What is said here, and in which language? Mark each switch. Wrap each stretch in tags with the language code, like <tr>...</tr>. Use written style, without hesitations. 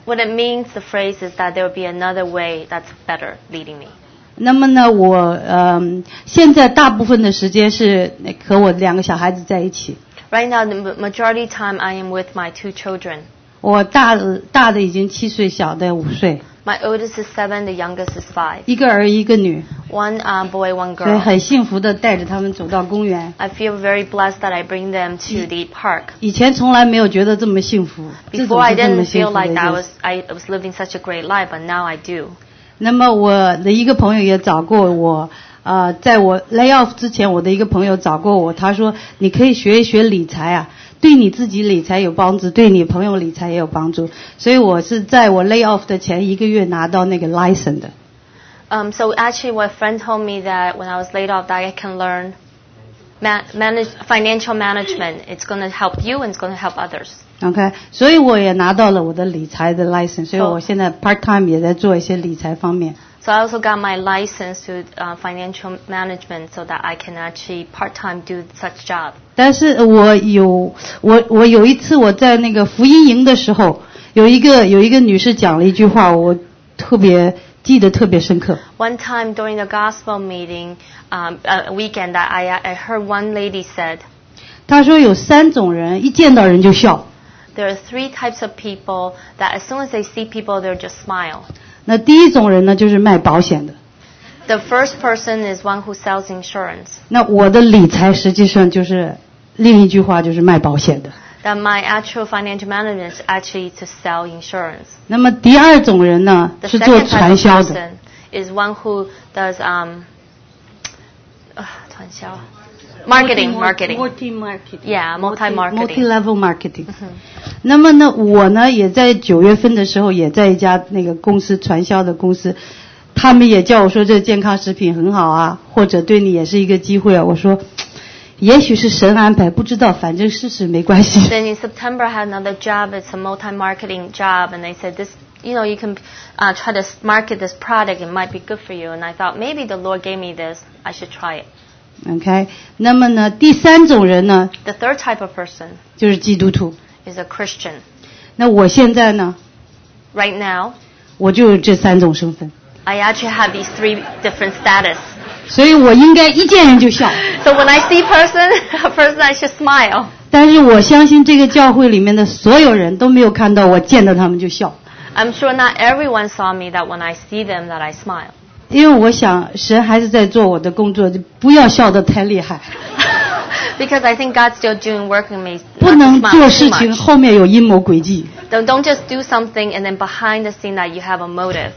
<en>What it means, the phrase is that there will be another way that's better leading me.</en> <zh>那么呢我现在大部分的时间是和我两个小孩子在一起。</zh> <en>Right now, the majority time I am with my two children.</en> <zh>我大的已经七岁小的五岁。</zh> <en>My oldest is seven, the youngest is five.</en> <zh>一个儿一个女。</zh> <en>One boy, one girl.</en> <zh>所以很幸福地带着他们走到公园。</zh> <en>I feel very blessed that I bring them to the park.</en> <zh>以前从来没有觉得这么幸福。</zh> <en>Before I didn't feel like that I was living such a great life, but now I do.</en> <zh>那么我的一个朋友也找过我在我 lay off 之前我的一个朋友找过我他说你可以学一学理财啊对你自己理财有帮助对你朋友理财也有帮助所以我是在我 lay off 的前一个月拿到那个 license 的、</zh> <en>So actually my friend told me that when I was laid off that I can learn financial management it's going to help you and it's going to help others</en> <zh>OK 所以我也拿到了我的理财的 license 所以我现在 part time 也在做一些理财方面</zh> <en>So I also got my license to financial management so that I can actually part time do such job</en> <zh>但是我有一次我在那个福音营的时候有一个女士讲了一句话我特别记得特别深刻</zh> <en>One time during the gospel meeting weekend that I heard one lady said</en> <zh>她说有三种人一见到人就笑</zh> <en>There are three types of people that as soon as they see people, they'll just smile.</en> <zh>那第一种人呢，就是卖保险的。</zh> <en>The first person is one who sells insurance.</en> <zh>那我的理财实际上就是另一句话，就是卖保险的。</zh> <en>that my actual financial management is actually to sell insurance.</en> <zh>那么第二种人呢，是做传销的。</zh> <en>Is one who does 传销。Marketing. Yeah, multi-marketing. Multi-level marketing.</en> <zh>那么呢，我呢也在九月份的时候也在一家那个公司传销的公司，他们也叫我说这健康食品很好啊，或者对你也是一个机会啊。我说，也许是神安排，不知道，反正试试没关系。</zh> <en>Then in September, I had another job. It's a multi-marketing job, and they said this. You know, you can try to market this product. It might be good for you. And I thought maybe the Lord gave me this. I should try it.</en> <zh>Okay. 那么呢，第三种人呢</zh> <en>？The third type of person</en> <zh>就是基督徒</zh> <en>is a Christian.</en> <zh>那我现在呢</zh> <en>？Right now,</en> <zh>我就有这三种身份。</zh> <en>I actually have these three different status.</en> <zh>所以我应该一见人就笑。</zh> <en>So when I see a person, I should smile.</en> <zh>但是我相信这个教会里面的所有人都没有看到我见到他们就笑。</zh> <en>I'm sure not everyone saw me that when I see them that I smile.</en> <zh>因为我想神还是在做我的工作，不要笑得太厉害。</zh> <en>Because I think God's still doing work in me.</en> <zh>不能做事情后面有阴谋诡计。</zh> <en>Don't just do something and then behind the scene that you have a motive.</en>